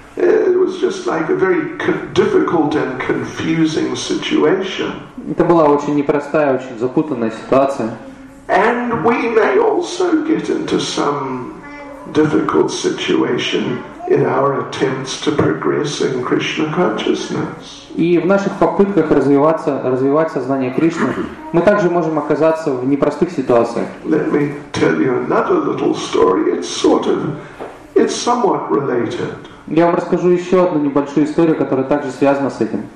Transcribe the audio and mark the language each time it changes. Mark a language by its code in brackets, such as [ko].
[en] It was just like a very difficult and confusing situation. [ru] Это была очень непростая, очень запутанная ситуация. [en] And we may also get into some difficult situation in our attempts to progress in Krishna consciousness. [ru] И в наших попытках развивать сознание Кришны, мы также можем оказаться в непростых ситуациях. [en] Let me tell you another little story. It's somewhat related. [ru] Я вам расскажу еще одну небольшую историю, которая также связана с этим.